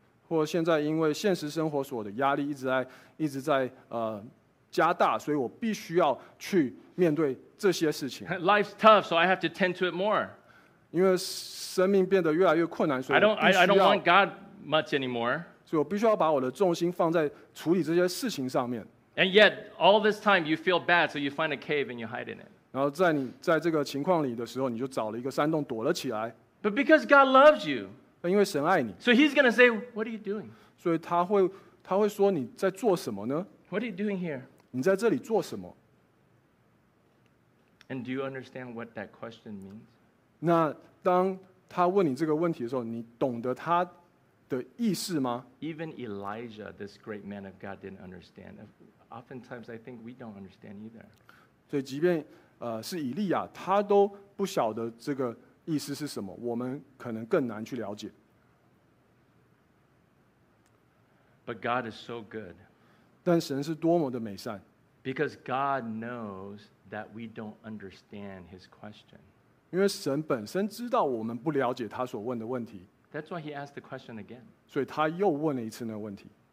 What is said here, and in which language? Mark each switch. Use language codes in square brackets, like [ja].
[zh] 或现在因为现实生活所的压力一直在加大，所以我必须要去面对。 [en] Life's tough, so I have to tend to it more. [zh] 因为生命变得越来越困难，所以 [en] I don't want God much anymore. [zh] 所以我必须要把我的重心放在处理这些事情上面。 [en] And yet, all this time, you feel bad, so you find a cave and you hide in it. [zh] 然后在这个情况里的时候，你就找了一个山洞躲了起来。 [en] But because God loves you, [zh] 因为神爱你 [en] ，so He's going to say, "What are you doing?" [zh] 所以他会说你在做什么呢 [en] ？What are you doing here? [zh] 你在这里做什么？ [en] And do you understand what that question means? [zh] 那当他问你这个问题的时候，你懂得他的意思吗？ [en] Even Elijah, this great man of God, didn't understand. Oftentimes, I think we don't understand either. [zh] 所以，即便是以利亚，他都不晓得这个意思是什么，我们可能更难去了解。 [en] But God is so good. [zh] 但神是多么的美善。 [en] Because God knows that we don't understand His question. [zh] 因为神本身知道我们不了解他所问的问题。 [en] That's why He asked the question again. [zh] 所以他又问了一次那个问题。